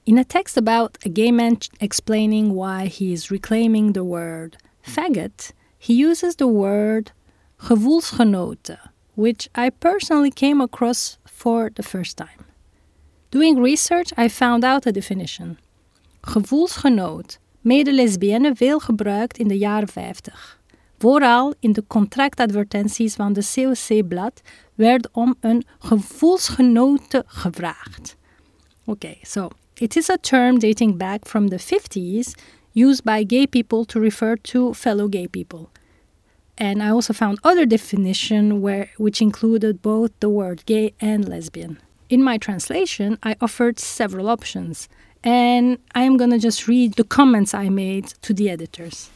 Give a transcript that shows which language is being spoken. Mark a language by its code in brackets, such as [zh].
[en] In a text about a gay man explaining why he is reclaiming the word faggot, he uses the word gevoelsgenote, which I personally came across for the first time. Doing research, I found out a definition. [nl] Gevoelsgenoot, mede lesbienne veel gebruikt in de jaren 50. Vooral in de contractadvertenties van de COC-blad werd om een gevoelsgenote gevraagd. [en] Okay, so it is a term dating back from the 50s used by gay people to refer to fellow gay people. And I also found other definitions which included both the word gay and lesbian. In my translation, I offered several options. And I am going to just read the comments I made to the editors.